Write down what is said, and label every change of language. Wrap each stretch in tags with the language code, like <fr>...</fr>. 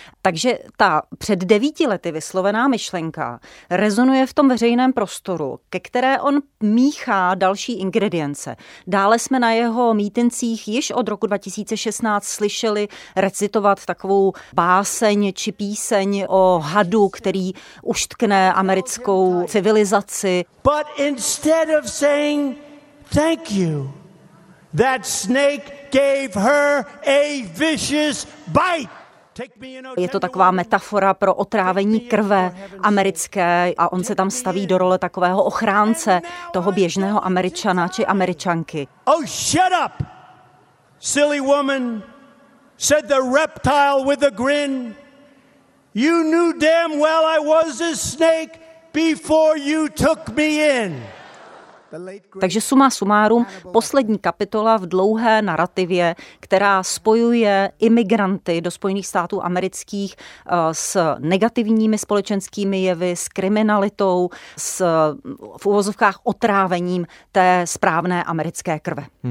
<cs>Takže ta před 9 lety vyslovená myšlenka rezonuje v tom veřejném prostoru, ke které on míchá další ingredience. Dále jsme na jeho mítincích již od roku 2016 slyšeli recitovat takovou báseň či píseň o hadu, který uštkne americkou civilizaci.</cs> <en>But instead of saying thank you, that snake gave her a vicious bite.</en> <cs>Je to taková metafora pro otrávení krve americké a on se tam staví do role takového ochránce toho běžného Američana či Američanky.</cs> <en>Oh, shut up, silly woman, said the reptile with a grin. You knew damn well I was a snake before you took me in.</en> <cs>Takže suma sumárum, poslední kapitola v dlouhé narrativě, která spojuje imigranty do Spojených států amerických s negativními společenskými jevy, s kriminalitou, s v uvozovkách otrávením té správné americké krve.</cs>